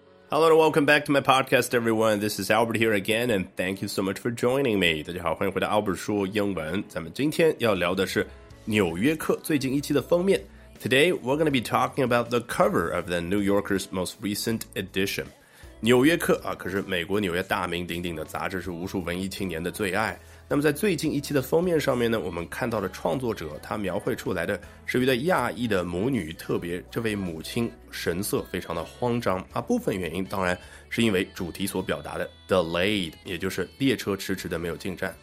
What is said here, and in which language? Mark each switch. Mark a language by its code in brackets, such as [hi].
[en] Hello and welcome back to my podcast, everyone. This is Albert here again, and thank you so much for joining me. [zh] 大家好，欢迎回到 Albert 说英文。咱们今天要聊的是纽约客最近一期的封面。 [en] Today, we're going to be talking about the cover of the New Yorker's most recent edition. [zh] 纽约客、啊、可是美国纽约大名鼎鼎的杂志，是无数文艺青年的最爱。那么在最近一期的封面上面呢，我们看到了创作者他描绘出来的是一对亚裔的母女，特别这位母亲神色非常的慌张啊。部分原因当然是因为主题所表达的 delayed， 也就是列车迟迟的没有进站。